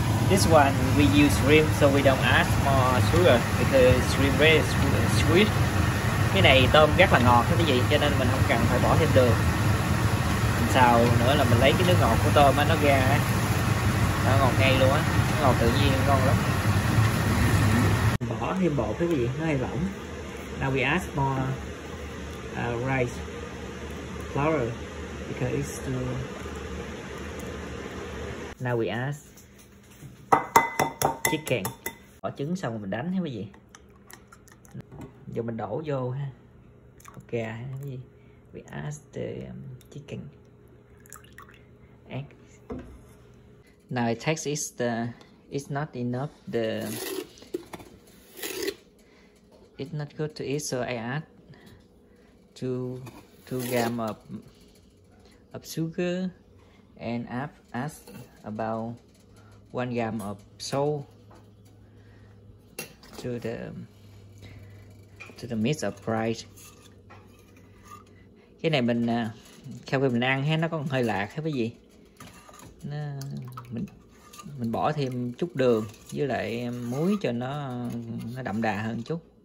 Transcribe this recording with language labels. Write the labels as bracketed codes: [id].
[en] This one we use shrimp, so we don't add more sugar because shrimp very sweet. [vi] Cái này tôm rất là ngọt cái gì, cho nên mình không cần phải bỏ thêm đường. Mình xào nữa là mình lấy cái nước ngọt của tôm á, nó ra á, nó ngọt ngay luôn á, ngọt tự nhiên ngon lắm. Bỏ thêm bột cái gì, nó hơi lỏng. [en] Now we add more rice flour because it's too. Now we add chicken. [vi] Bỏ trứng xong rồi mình đánh hết cái gì. Giờ mình đổ vô ha. Ok ha. [en] We add the chicken. Egg. Now it takes it's not good to eat, so I add 2 gram of sugar. And add about 1 gram of salt to the mix of rice. [vi] Cái này mình sau khi mình ăn ha, nó còn hơi lạc hết cái gì. Nó mình bỏ thêm chút đường với lại muối cho nó đậm đà hơn chút.